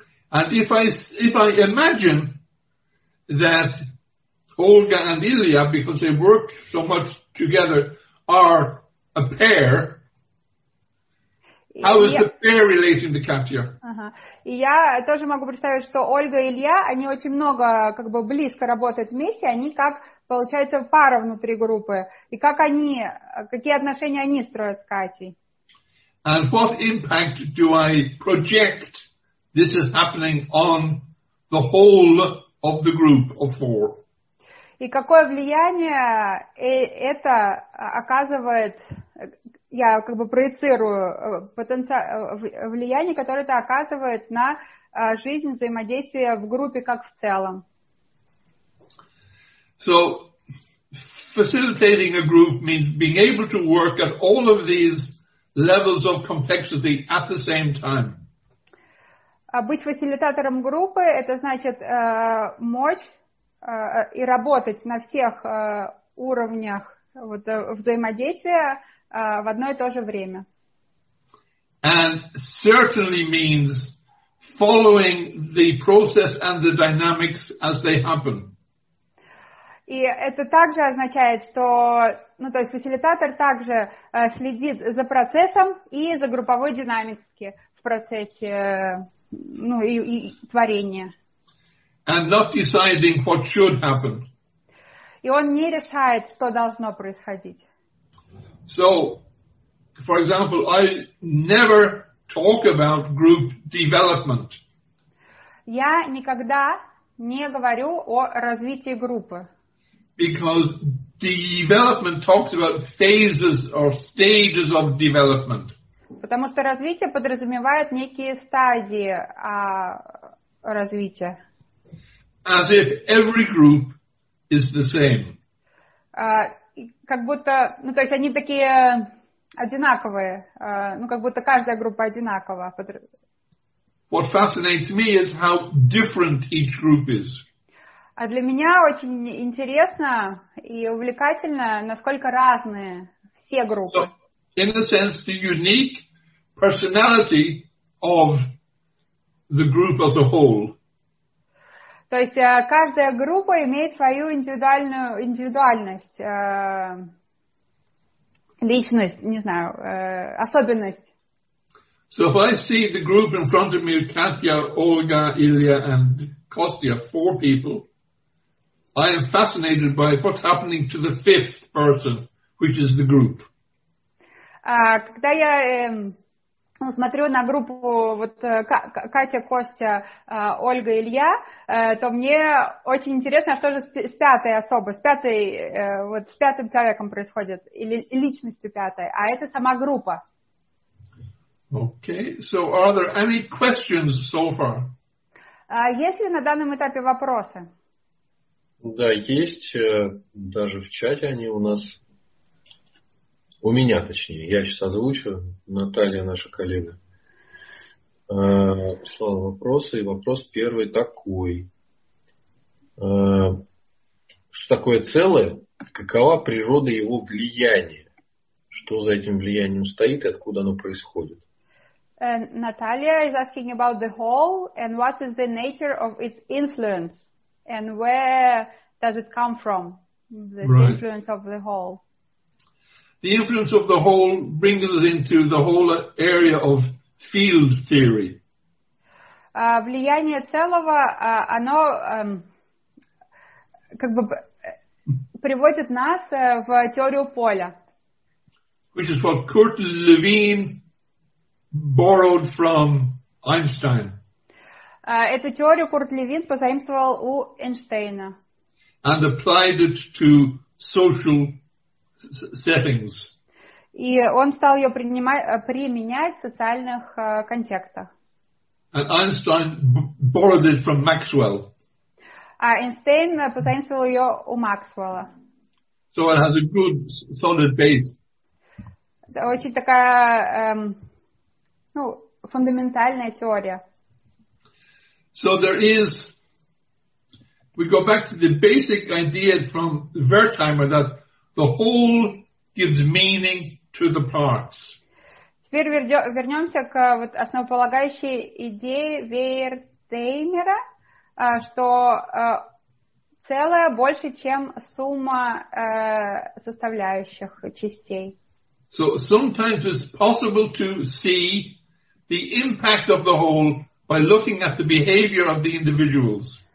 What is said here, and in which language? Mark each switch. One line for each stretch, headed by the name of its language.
English: And if I imagine that Olga and Ilya, because they work so much together, are a pair, how is the pair relating to Katya?
Russian: И я тоже могу представить, что Ольга и Илья, они очень много, как бы, близко работают вместе, они как, получается, пара внутри группы. И как они, какие отношения они строят с Катей?
English: And what impact do I project this is happening on the whole of the group of four?
Russian: И какое влияние это оказывает, я как бы проецирую, влияние, которое это оказывает на жизнь, взаимодействие в группе как в целом.
English: So, facilitating a group means being able to work at all of these levels of complexity at the same time.
Russian: Быть фасилитатором группы, это значит мочь и работать на всех уровнях вот, взаимодействия в одно и то же время.
English: And certainly means following the process and the dynamics as they happen.
Russian: И это также означает, что, ну, то есть фасилитатор также следит за процессом и за групповой динамикой в процессе, ну, и творения.
English: And not deciding what should happen.
Russian: И он не решает, что должно происходить.
English: So, for example, I never talk about group development.
Russian: Я никогда не говорю о развитии группы.
English: Because development talks about phases or stages of development.
Russian: Потому что развитие подразумевает некие стадии развития.
English: As if every group is the same.
Russian: Как будто, ну то есть они такие одинаковые, ну как будто каждая группа одинакова.
English: What fascinates me is how different each group is.
Russian: А для меня очень интересно и увлекательно, насколько разные все группы.
English: So, in a sense, the unique personality of the group as a whole.
Russian: То есть каждая группа имеет свою индивидуальность, личность, не знаю, особенность.
English: So if I see the group in front of me, Katya, Olga, Ilya and Kostya, four people, I am fascinated by what's happening to the fifth person, which is the group.
Russian: Когда я ну, смотрю на группу вот Катя, Костя, Ольга, Илья, то мне очень интересно, что же с пятой особой, с пятой, вот с пятым человеком происходит, или личностью пятой, а это сама группа.
English: Okay, so are there any questions so far?
Russian: Есть ли на данном этапе вопросы? Да, есть, даже в чате они у нас. У меня, точнее. Я сейчас озвучу. Наталья, наша коллега, прислала вопросы. И вопрос первый такой. Что такое целое? Какова природа его влияния? Что за этим влиянием стоит и откуда оно происходит?
English: Наталья is asking about the whole and what is the nature of its influence and where does it come from, the right. influence of the whole. The influence of the whole brings us into the whole area of field theory.
Russian: влияние целого, оно как бы приводит нас в теорию поля.
English: Which is what Kurt Lewin borrowed from Einstein.
Russian: Эту теорию Курт Левин позаимствовал у Эйнштейна.
English: And applied it to social settings.
Russian: И он стал ее применять в социальных контекстах.
English: And Einstein borrowed it from Maxwell.
Russian: А Эйнштейн позаимствовал ее у Максвелла.
English: So it has a good solid base.
Russian: Очень такая фундаментальная теория.
English: So there is, we go back to the basic idea from Wertheimer that the whole gives meaning to the parts.
Russian: Теперь вернемся к вот основополагающей идее Вертхаймера, что целое больше, чем сумма составляющих частей.
English: So sometimes it's possible to see the impact of the whole by looking at the behavior of the individuals.